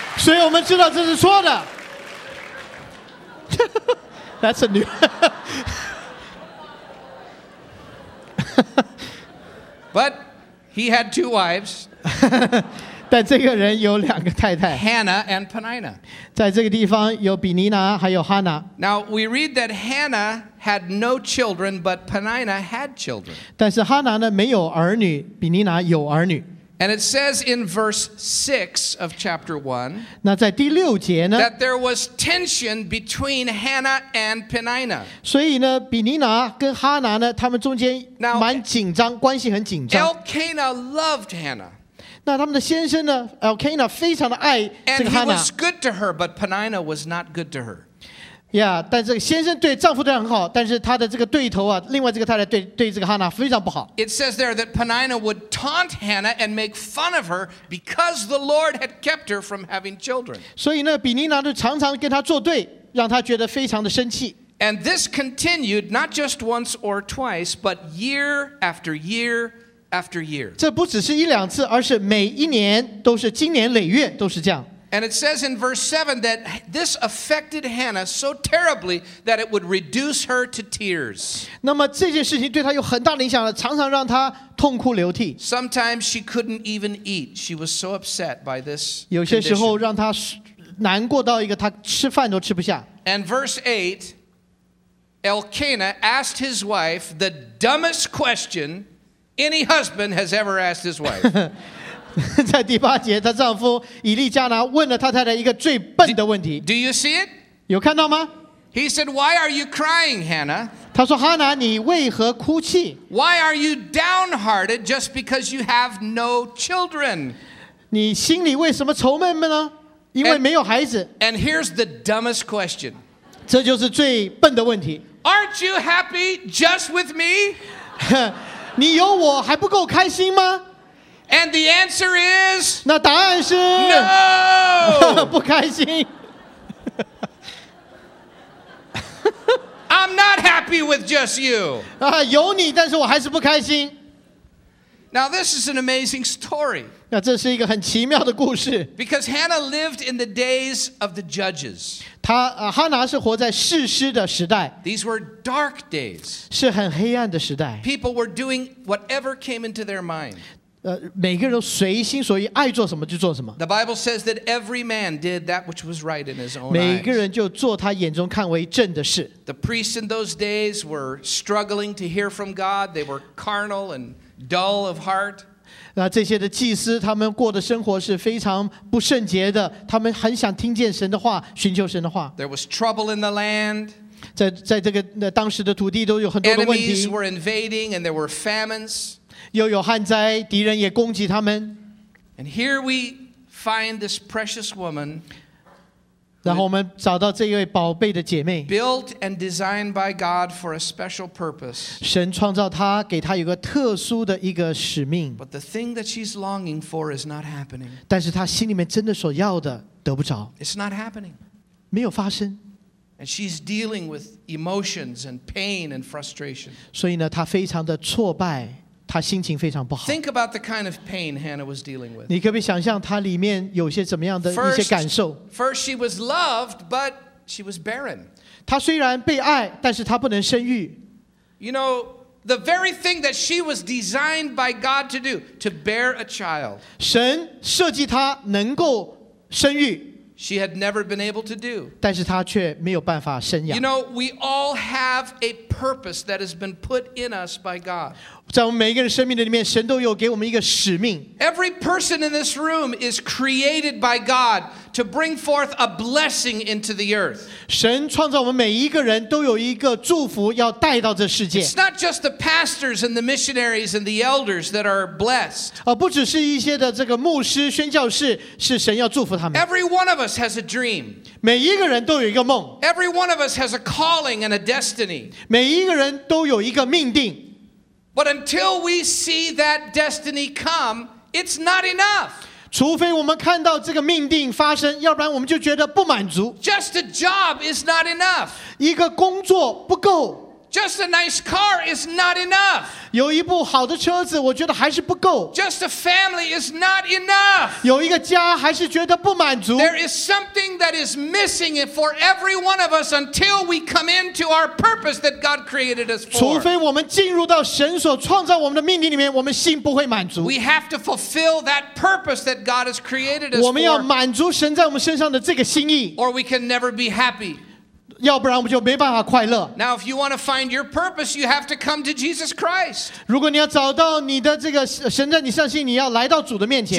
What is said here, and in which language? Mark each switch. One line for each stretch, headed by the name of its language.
Chinese: 所以我们知道这是错的
English: That's a new. But he had two wives.
Chinese: 但这个人有两个太太
English: Hannah and Penina.
Chinese: 在这个地方有比尼拿还有哈拿
English: Now we read that Hannah had no children, but Penina had children.
Chinese: 但是哈拿呢没有儿女，比尼拿有儿女
English: And it says in verse 6 of chapter 1
Chinese: 那在第六节呢,
English: that there was tension between Hannah and Peninnah.
Chinese: 所以呢,比尼拿跟哈拿呢,他们中间蛮紧张, 关系很紧张。
English: Elkanah loved Hannah.
Chinese: 那他们的先生呢, Elkanah 非常的爱这个哈拿。
English: And he was good to her, but Peninnah was not good to her.
Chinese: Yeah, 但是先生对丈夫对他很好,但是他的这个对头啊,另外这个太太对这个哈娜非常不好。
English: It says there that Peninnah would taunt Hannah and make fun of her because the Lord had kept her from having children.
Chinese: 所以呢,比尼拿就常常跟他作对,让他觉得非常的生气。
English: And this continued not just once or twice, but year after year after year.
Chinese: 这不只是一两次,而是每一年都是经年累月都是这样。
English: And it says in verse 7 that this affected Hannah so terribly that it would reduce her to tears.
Chinese: 那么这件事情对她有很大的影响了，常常让她痛哭流涕。
English: Sometimes she couldn't even eat. She was so upset by this condition.
Chinese: 有些时候让她难过到一个她吃饭都吃不下。
English: And verse 8, Elkanah asked his wife the dumbest question any husband has ever asked his wife.
Chinese: 在第八节，她丈夫以利加拿问了她太太一个最笨的问题。
English: Do you see it?
Chinese: 有看到吗
English: ？He said, "Why are you crying, Hannah?"
Chinese: 她说，哈娜，你为何哭泣
English: ？Why are you downhearted just because you have no children?
Chinese: 你心里为什么愁闷闷呢？因为没有孩子。
English: And here's the dumbest question.
Chinese: 这就是最笨的问题。
English: Aren't you happy just with me?
Chinese: 你有我还不够开心吗？
English: And the answer is
Chinese: 那答案是
English: no
Chinese: 不开心
English: I'm not happy with just you
Chinese: 有你但是我还是不开心
English: Now this is an amazing story
Chinese: 那这是一个很奇妙的故事
English: Because Hannah lived in the days of the judges
Chinese: 她哈拿是活在士师的时代
English: These were dark days
Chinese: 是很黑暗的时代
English: People were doing whatever came into their mind
Chinese: 每个人都随心所欲，爱做什么就做什么。
English: The Bible says that every man did that which was right in his own eyes.
Chinese: 每个人就做他眼中看为正的事。
English: The priests in those days were struggling to hear from God. They were carnal and dull of heart.
Chinese: 那这些的祭司，他们过的生活是非常不圣洁的。他们很想听见神的话，寻求神的话。
English: There was trouble in the land.
Chinese: 在这个那当时的土地都有很多的问题。
English: Enemies were invading, and there were famines.
Chinese: 又有旱灾，敌人也攻击他们。
English: And here we find this precious woman.
Chinese: 然后我们找到这一位宝贝的姐妹。
English: Built and designed by God for a special purpose.
Chinese: 神创造她，给她有个特殊的一个使命。
English: But the thing that she's longing for is not happening.
Chinese: 但是她心里面真的所要的得不着。
English: It's not happening.
Chinese: 没有发生。
English: And she's dealing with emotions and pain and frustration.
Chinese: 所以呢，她非常的挫败。她心情非常不好。
English: Think about the kind of pain Hannah was dealing with.
Chinese: 你可别想象她里面有些怎么样的一些感受。
English: First, she was loved, but she was barren.
Chinese: 她虽然被爱，但是她不能生育。
English: You know, the very thing that she was designed by God to do, to bear a child.
Chinese: 神设计她能够生育。
English: She had never been able to do.
Chinese: 但是她却没有办法生养。
English: You know, we all have a purpose that has been put in us by God.
Chinese: 在我们每一个人生命的里面，神都有给我们一个使命。
English: Every person in this room is created by God to bring forth a blessing into the earth.
Chinese: 神创造我们每一个人都有一个祝福要带到这世界。
English: It's not just the pastors and the missionaries and the elders that are blessed.
Chinese: 不只是一些的这个牧师、宣教士是神要祝福他们。
English: Every one of us has a dream.
Chinese: 每一个人都有一个梦。
English: Every one of us has a calling and a destiny.
Chinese: 每一个人都有一个命定。
English: But until we see that destiny come, it's not enough.
Chinese: 除非我们看到这个命定发生，要不然我们就觉得不满足。
English: Just a job is not enough.
Chinese: 一个工作不够。
English: Just a nice car is not enough.
Chinese: 有一部好的车子，我觉得还是不够。
English: Just a family is not enough.
Chinese: 有一个家还是觉得不满足。
English: There is something that is missing for every one of us until we come into our purpose that God created us for.
Chinese: 除非我们进入到神所创造我们的命定里面，我们心不会满足。
English: We have to fulfill that purpose that God has created us for.
Chinese: 我们要满足神在我们身上的这个心意。
English: Or we can never be happy.
Chinese: 要不然我们就没办法快乐。
English: Now, if you want to find your purpose, you have to come to Jesus Christ.
Chinese: 如果你要找到你的这个神在你上心，你要来到主的面前。